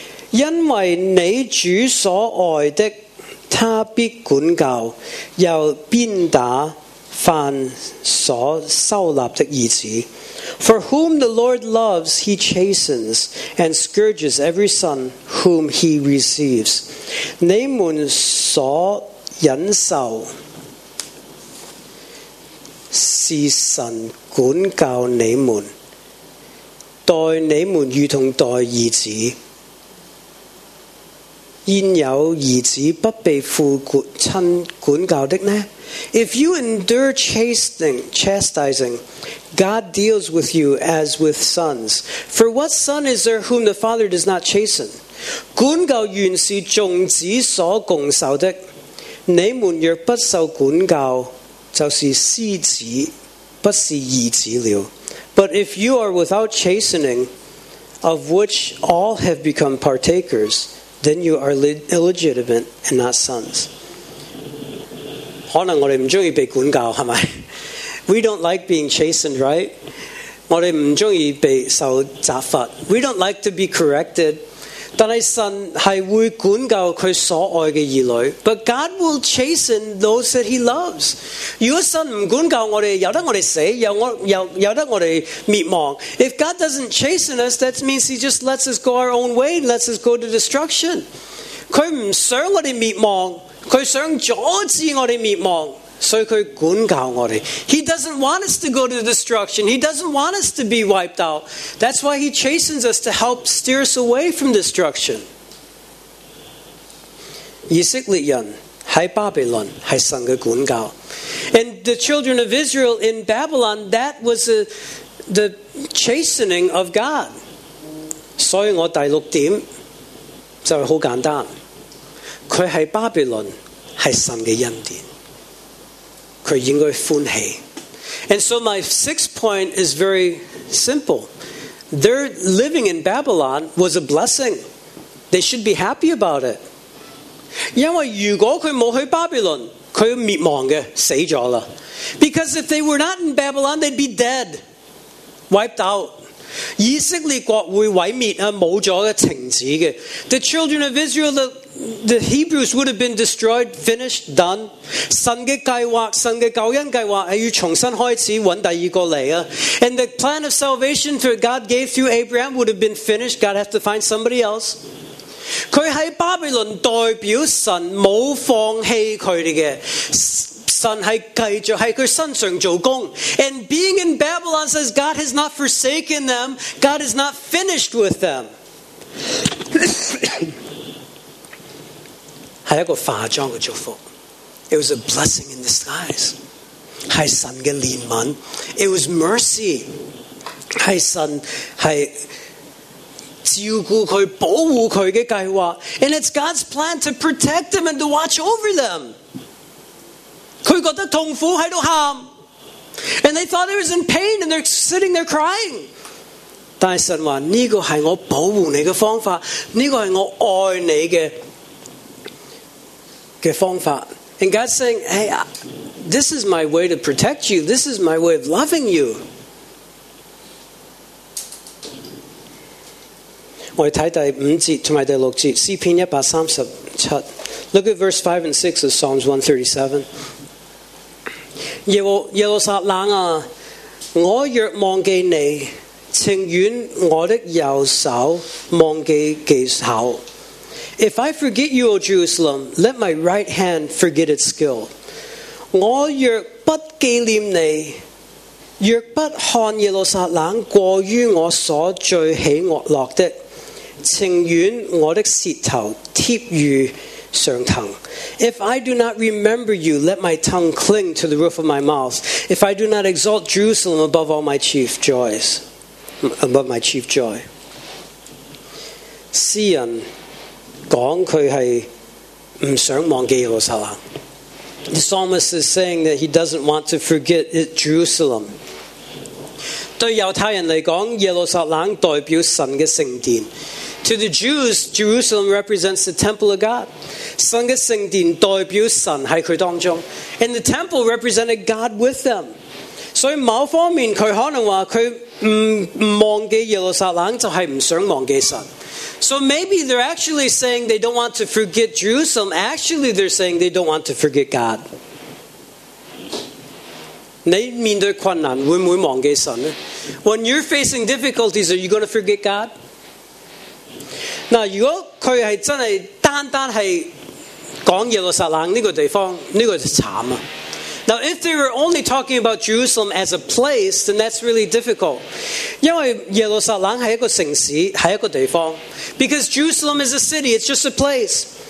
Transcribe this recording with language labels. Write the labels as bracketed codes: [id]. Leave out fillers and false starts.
[zh] 因为你主所爱的，他必管教，又鞭打凡所羞立的儿子。 [en] For whom the Lord loves, he chastens and scourges every son whom he receives. [zh] 你们所忍受是神管教你们，待你们如同待儿子。焉有儿子不被父亲管教的呢？ [en] If you endure chastising, God deals with you as with sons. For what son is there whom the father does not chasten? [zh] 管教原是众子所共受的，你们若不受管教，就是私子，不是儿子了。 [en] But if you are without chastening, of which all have become partakers,then you are illegitimate and not sons. [zh] 可能我们不喜欢被管教，是吧？ [en] We don't like being chastened, right? [zh] 我们不喜欢被受责罚。 [en] We don't like to be corrected. [zh] 但是神是会管教他所爱的儿女。 [en] But God will chasten those that he loves. [zh] 如果神不管教我们，由得我们死，由得我们灭亡。 [en] If God doesn't chasten us, that means he just lets us go our own way, lets us go to destruction. [zh] 他不想我们灭亡，他想阻止我们灭亡。所以他管教我们。 [en] He doesn't want us to go to destruction. He doesn't want us to be wiped out. That's why he chastens us to help steer us away from destruction. [zh] 以色列人在巴比伦是神的管教。 [en] And the children of Israel in Babylon, that was the chastening of God. [zh] 所以我第六点就是很简单。他在巴比伦是神的恩典。他应该欢喜。 [en] And so my sixth point is very simple. Their living in Babylon was a blessing. They should be happy about it. [zh] 因为如果他没去巴比伦，他要灭亡的，死了。 [en] Because if they were not in Babylon, they'd be dead. Wiped out. [zh] 以色列国会毁灭啊，没了的情子的。 [en] The children of Israel, the Hebrews would have been destroyed, finished, done. [zh] 神的计划，神的救恩计划，是要重新开始，找第二个来啊。 [en] And the plan of salvation that God gave through Abraham would have been finished. God has to find somebody else. [zh] 他在巴比伦代表神没放弃他们的，神是继续在他身上做工。 [en] And being in Babylon says God has not forsaken them. God is not finished with them. [zh] 是一个化妆的祝福。 [en] It was a blessing in disguise. [zh] 是神的怜悯。 [en] It was mercy. [zh] 是神是照顾他、保护他的计划。 [en] And it's God's plan to protect them and to watch over them. [zh] 他觉得痛苦，在喊。 [en] And they thought he was in pain and they're sitting there crying. [zh] 但神说，这个是我保护你的方法，这个是我爱你的。 [en] And God's saying, hey, this is my way to protect you. This is my way of loving you. [zh] 我们看第五节和第六节，诗篇一百三十七。 [en] Look at verse 5 and 6 of Psalms 137. [zh] 耶路撒冷啊，我若忘记你，情愿我的右手忘记技巧。 [en] If I forget you, O Jerusalem, let my right hand forget its skill. [zh] 我若不纪念你，若不看耶路撒冷过于我所最喜恶乐的，情愿我的舌头贴于上藤。 [en] If I do not remember you, let my tongue cling to the roof of my mouth. If I do not exalt Jerusalem above all my chief joys, above my chief joy. [zh] 诗人讲他是不想忘记耶路撒冷。 [en] The psalmist is saying that he doesn't want to forget Jerusalem. [zh] 对犹太人来讲，耶路撒冷代表神的圣殿。 [en] To the Jews, Jerusalem represents the temple of God. [zh] 神的圣殿代表神在他当中。 [en] And the temple represented God with them. [zh] 所以某方面他可能说他不忘记耶路撒冷，就是不想忘记神。 [en] So maybe they're actually saying they don't want to forget Jerusalem. Actually, they're saying they don't want to forget God. [zh] 你面对困难会不会忘记神呢？ [en] When you're facing difficulties, are you going to forget God? [zh] 那如果他是真的单单是讲耶路撒冷这个地方，这个就惨了。 [en] Now, if they were only talking about Jerusalem as a place, then that's really difficult. [zh] 因为耶路撒冷是一个城市，是一个地方。 Because Jerusalem is a city, it's just a place.